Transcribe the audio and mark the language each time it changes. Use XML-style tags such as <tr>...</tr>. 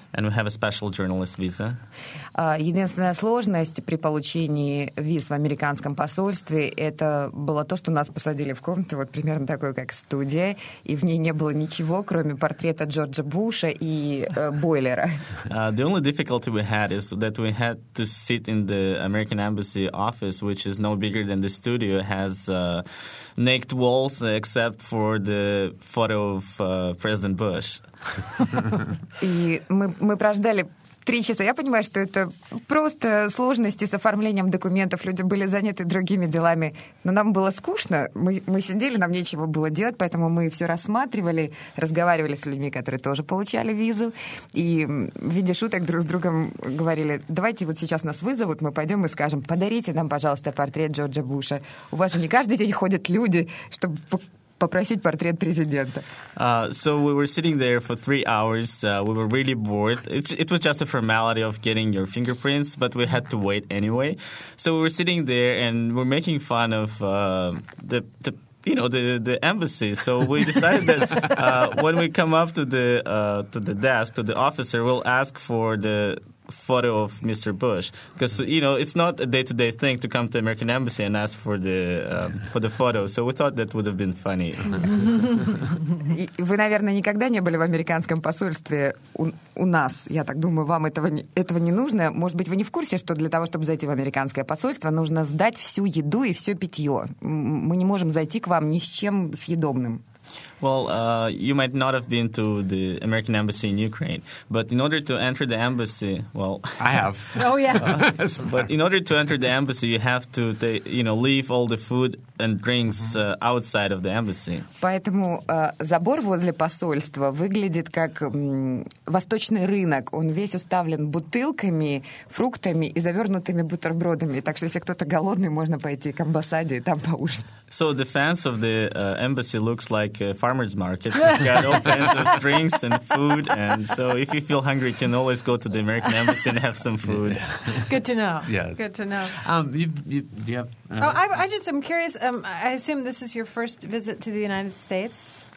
<en>And we have a special journalist visa.</en> <ru>Единственная сложность при получении виз в американском посольстве это было то, что нас посадили в комнату, вот примерно такой, как студия, и в ней не было ничего, кроме портрета Джорджа Буша и бойлера.</ru> <en>The only difficulty we had is that we had to sit in the American Embassy office, which is no bigger than the studio has naked walls except for the photo of President Bush.</en> <ru>И мы прождали 3 часа. Я понимаю, что это просто сложности с оформлением документов. Люди были заняты другими делами. Но нам было скучно. Мы сидели, нам нечего было делать, поэтому мы все рассматривали, разговаривали с людьми, которые тоже получали визу. И в виде шуток друг с другом говорили, давайте вот сейчас нас вызовут, мы пойдем и скажем, подарите нам, пожалуйста, портрет Джорджа Буша. У вас же не каждый день ходят люди, чтобы... попросить портрет президента.</ru> <en>So we were sitting there for 3 hours. We were really bored. It was just a formality of getting your fingerprints, but we had to wait anyway. So we were sitting there and we're making fun of the embassy. So we decided that when we come up to the desk, to the officer, we'll ask for the photo of Mr. Bush. Because, you know, it's not a day-to-day thing to come to American Embassy and ask for the photo. So we thought that would have been funny.</en> <ru>Вы, наверное, никогда не были в американском посольстве у нас. Я так думаю, вам этого не нужно. Может быть, вы не в курсе, что для того, чтобы зайти в американское посольство, нужно сдать всю еду и все питье. Мы не можем зайти к вам ни с чем съедобным.</ru> <en>Well, you might not have been to the American Embassy in Ukraine, but in order to enter the embassy, well... I have. Oh, yeah. But in order to enter the embassy, you have to, leave all the food and drinks outside of the embassy.</en> <ru>Поэтому забор возле посольства выглядит как восточный рынок. Он весь уставлен бутылками, фруктами и завернутыми бутербродами. Так что если кто-то голодный, можно пойти к амбассаде и там поужинать.</ru> <en>So the fence of the embassy looks like a farmer's market. It's got all kinds of drinks and food. And so if you feel hungry, you can always go to the American embassy and have some food. Good to know. Yes. Good to know. I just am curious. I assume this is your first visit to the United States.</en>